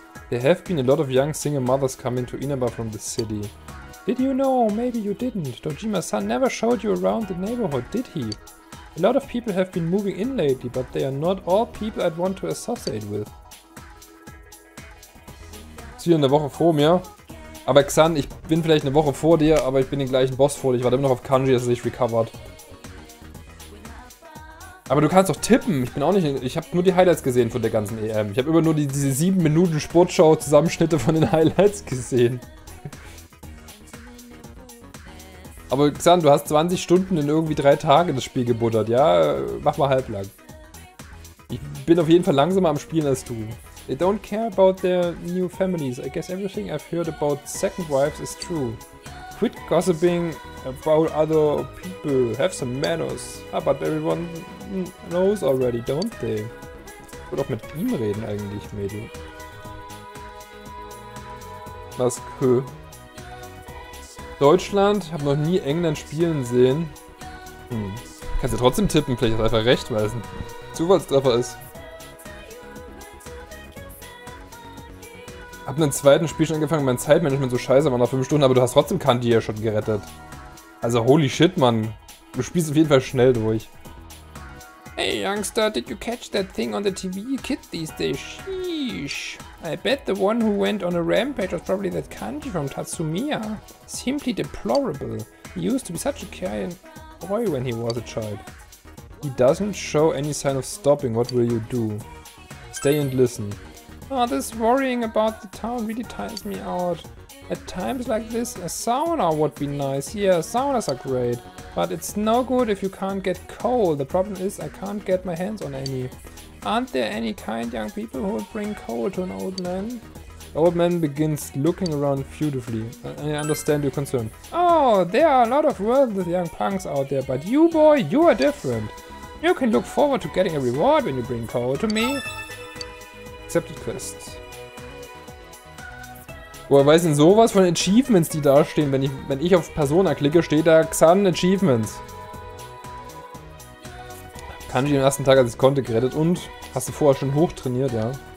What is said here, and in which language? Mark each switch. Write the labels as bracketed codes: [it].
[en] There have been a lot of young single mothers coming to Inaba from the city. Did you know? Maybe you didn't. Dojima's son never showed you around the neighborhood, did he? A lot of people have been moving in lately, but they are not all people I'd want to associate with. [de] Ist wieder eine Woche vor mir. Aber Xan, ich bin vielleicht eine Woche vor dir, aber ich bin den gleichen Boss vor dir. Ich warte immer noch auf Kanji, dass er sich recovered. Aber du kannst doch tippen. Ich bin auch nicht. Ich habe nur die Highlights gesehen von der ganzen EM. Ich habe immer nur diese 7 Minuten Sportshow-Zusammenschnitte von den Highlights gesehen. Aber Xan, du hast 20 Stunden in irgendwie 3 Tagen das Spiel gebuttert. Ja, mach mal halblang. Ich bin auf jeden Fall langsamer am Spielen als du. [en] They don't care about their new families. I guess everything I've heard about second wives is true. Quit gossiping about other people. Have some manners. Ah, but everyone knows already, don't they? [de] Ich würde auch mit ihm reden eigentlich, Mädel. Was? Kö. Deutschland? Ich habe noch nie England spielen sehen. Kannst du trotzdem tippen. Vielleicht hast du einfach recht, weil es ein Zufallstreffer ist. Ich hab einen zweiten Spiel schon angefangen, mein Zeitmanagement so scheiße war nach 5 Stunden, aber du hast trotzdem Kanti ja schon gerettet. Also [en] holy shit, [de] Mann. Du spielst auf jeden Fall schnell durch. [en] Hey Youngster, did you catch that thing on the TV? Kid these days, sheesh. I bet the one who went on a rampage was probably that Kanti from Tatsumiya. Simply deplorable. He used to be such a caring boy when he was a child. He doesn't show any sign of stopping, what will you do? Stay and listen. Oh, this worrying about the town really tires me out. At times like this, a sauna would be nice. Yeah, saunas are great. But it's no good if you can't get coal. The problem is, I can't get my hands on any. Aren't there any kind young people who would bring coal to an old man? old man begins looking around furtively. I understand your concern. Oh, there are a lot of worthless young punks out there, but you, boy, you are different. You can look forward to getting a reward when you bring Koro to me. Accepted quest. [de] Woher weiß denn sowas von Achievements, die da stehen, wenn ich auf Persona klicke, steht da Xan Achievements. Kanji am ersten Tag, als ich konnte, gerettet und hast du vorher schon hochtrainiert, ja.